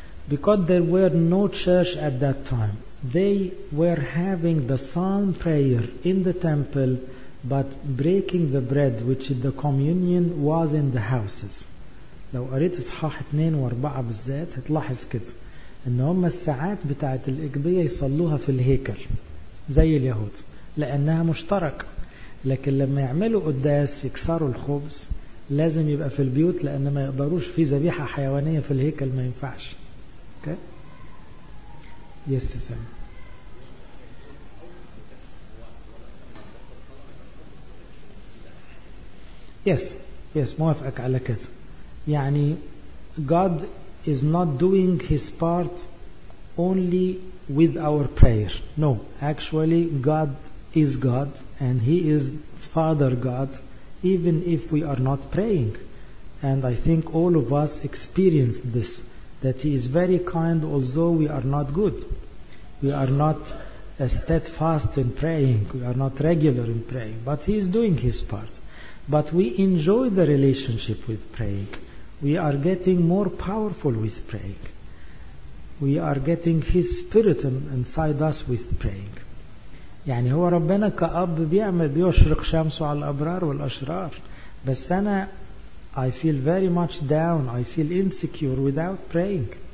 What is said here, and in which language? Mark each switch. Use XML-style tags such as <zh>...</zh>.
<en>Because there were no church at that time. They were having the psalm prayer in the temple, but breaking the bread, which is the communion, was in the houses.</en> <ar>لو قريت إصحاح 2 و4 بالذات هتلاحظ كده ان هم الساعات بتاعت الإجبية يصلوها في الهيكل زي اليهود لأنها مشتركة. لكن لما يعملوا قداس يكسروا الخبز لازم يبقى في البيوت, لأن ما يقدروش في ذبيحة حيوانية في الهيكل, ما ينفعش.</ar> <en>Okay. Yes, sir. Yes, yes,</en> <ar>موافقك على كده. يعني</ar> <en>God is not doing his part only with our prayer. No, actually God is God and he is Father God even if we are not praying. And I think all of us experience this, that he is very kind although we are not good. We are not steadfast in praying. We are not regular in praying. But he is doing his part. But we enjoy the relationship with praying. We are getting more powerful with praying. We are getting his spirit inside us with praying.</en> <ar>يعني هو ربنا كأب بيعمل بيشرق شمسه على الأبرار والأشرار. بس أنا</ar> <en>I feel very much down. I feel insecure without praying.</en>